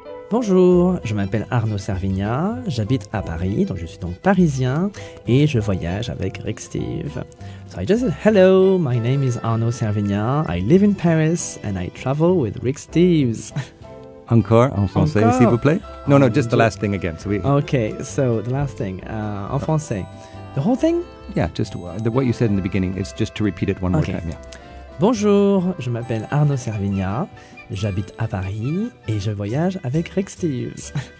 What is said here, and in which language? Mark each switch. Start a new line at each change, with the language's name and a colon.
French: Bonjour, je m'appelle Arnaud Servignat, j'habite à Paris, donc je suis donc parisien, et je voyage avec Rick Steve.
English: So I just said, hello, my name is Arnaud Servignat, I live in Paris, and I travel with Rick Steves.
French: Encore, en français, Encore. S'il vous plaît?
English: No, no, just the last thing again. So we... Okay, so the last thing,
French: en français.
English: The whole thing? Yeah, just what you said in the beginning, it's just to repeat it one okay. more time. Yeah.
French: Bonjour, je m'appelle Arnaud Servignat. J'habite à Paris et je voyage avec Rick Steves.